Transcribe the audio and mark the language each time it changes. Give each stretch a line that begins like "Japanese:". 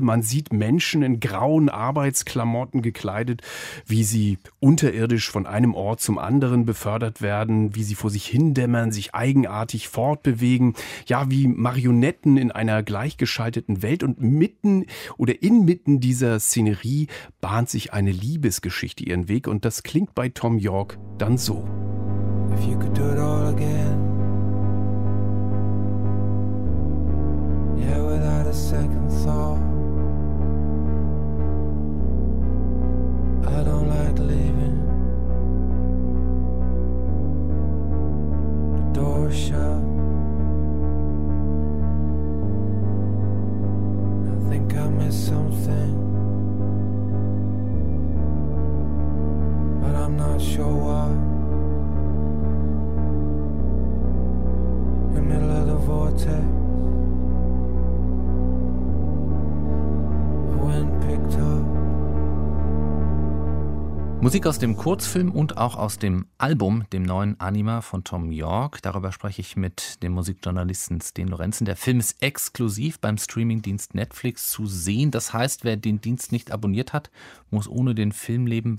German: Man sieht Menschen in grauen Arbeitsklamotten gekleidet, wie sie unterirdisch von einem Ort zum anderen befördert werden, wie sie vor sich hindämmern, sich eigenartig fortbewegen. Ja, wie Marionetten in einer gleichgeschalteten Welt. Und mitten oder inmitten dieser Szenerie bahnt sich eine Liebesgeschichte ihren Weg. Und das klingt bei Thom Yorke dann so.
English: If you could do it all again, yeah, without a second thought. I don't like leaving. The door shut. I think I missed something. I'm not sure why. In the middle of the vortex, I went picked up.
German: Musik aus dem Kurzfilm und auch aus dem Album, dem neuen Anima von Thom Yorke. Darüber spreche ich mit dem Musikjournalisten Sten Lorenzen. Der Film ist exklusiv beim Streamingdienst Netflix zu sehen. Das heißt, wer den Dienst nicht abonniert hat, muss ohne den Film leben.